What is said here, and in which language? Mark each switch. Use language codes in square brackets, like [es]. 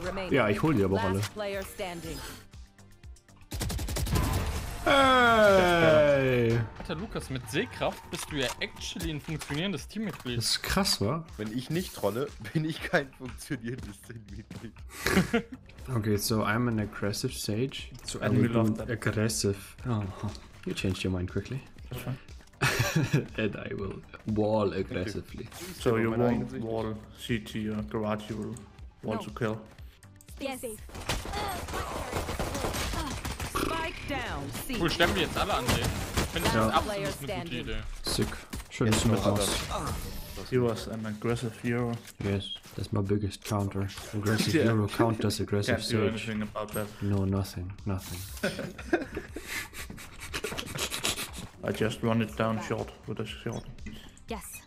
[de] Ja, ich hol die aber auch alle. Hey! Alter Lukas, mit Sehkraft bist du ja actually ein funktionierendes Teammitglied. Das ist krass, wa? Wenn ich nicht trolle, bin ich kein funktionierendes Teammitglied. [en] Okay, so I'm an aggressive Sage. So I'm an aggressive. Oh, you changed your mind quickly. And I will wall aggressively. So you won't wall CT your garage, you will want to kill. Yes. Spike down. [de] Cool, stemmen wir jetzt alle an den. Finde ich das eine absolute gute Idee. Sick. Schön, dass du mit [en] He was an aggressive hero. Yes, that's my biggest counter. Aggressive yeah. Hero counters aggressive Can't Sage. Can't do anything about that. No, nothing. Nothing. I just run it down short with a shield. Yes.